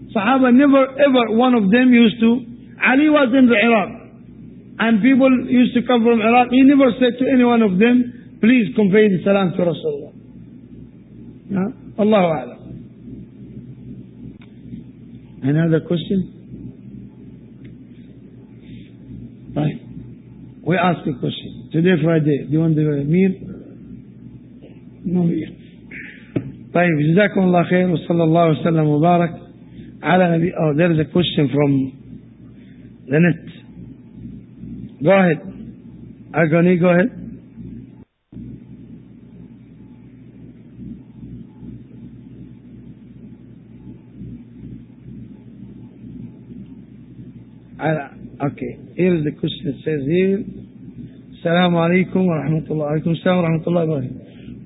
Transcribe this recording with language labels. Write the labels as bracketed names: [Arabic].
[English] Sahaba never ever one of them used to, Ali was in the Iraq and people used to come from Iraq, he never said to any one of them, please convey the salam to Rasulullah. Yeah? Allahu A'lam. Another question? Right. We ask a question. Today Friday, do you want the meal? [Arabic] طيب جزاكم الله خير وصلى الله وسلم وبارك على نبي. [English] Oh, there is a question from the net. Go ahead. Agony, go ahead. Okay, here is the question. It says here, [Arabic] السلام عليكم ورحمة الله وعليكم السلام ورحمة الله وبركاته.